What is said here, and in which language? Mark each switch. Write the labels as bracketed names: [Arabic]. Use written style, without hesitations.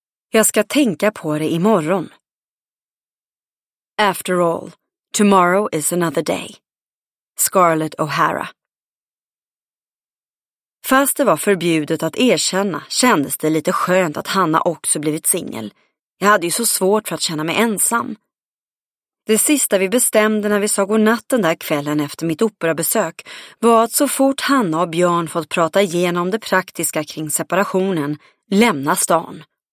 [Swedish] Jag ska tänka på det imorgon. [English] After all, tomorrow is another day. [Swedish] Scarlett O'Hara. Fast det var förbjudet att erkänna kändes det lite skönt att Hanna också blivit singel. Jag hade ju så svårt för att känna mig ensam. Det sista vi bestämde när vi sa godnatt den där kvällen efter mitt operabesök var att så fort Hanna och Björn fått prata igenom det praktiska kring separationen, lämna stan.